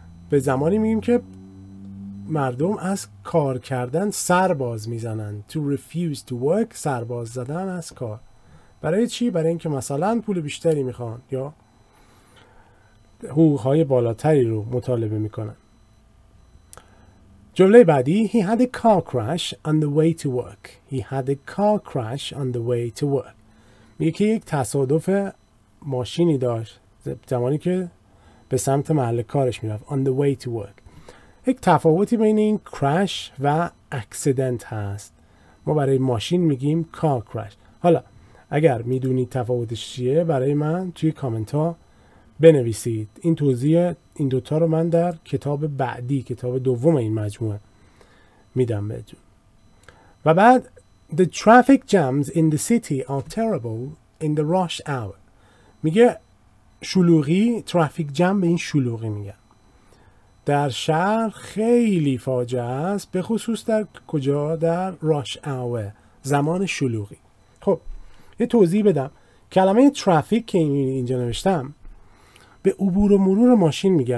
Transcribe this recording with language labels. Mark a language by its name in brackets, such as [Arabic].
[Persian] به زمانی میگیم که مردم از کار کردن سرباز میزنن. [English] To refuse to work [Persian] سرباز زدن از کار. برای چی؟ برای اینکه مثلا پول بیشتری میخوان یا حقوقهای بالاتری رو مطالبه میکنن. جمله بعدی [English] He had a car crash on the way to work. He had a car crash on the way to work. [Persian] میگه که یک تصادف ماشینی داشت زمانی که به سمت محل کارش میرفت. [English] On the way to work. [Persian] یک تفاوتی بین این crash و accident هست. ما برای ماشین میگیم car crash. حالا اگر میدونید تفاوتش چیه برای من توی کامنت ها بنویسید. این توضیح این دوتا رو من در کتاب بعدی، کتاب دوم این مجموعه میدم بهتون. و بعد [English] The traffic jams in the city are terrible in the rush hour. [Persian] میگه شلوغی، ترافیک جم به این شلوغی میگه. در شهر خیلی فاجعه است، به خصوص در کجا؟ در rush hour، زمان شلوغی. خب یه توضیح بدم. کلمه ترافیک که اینجا نوشتم به عبور و مرور ماشین میگن.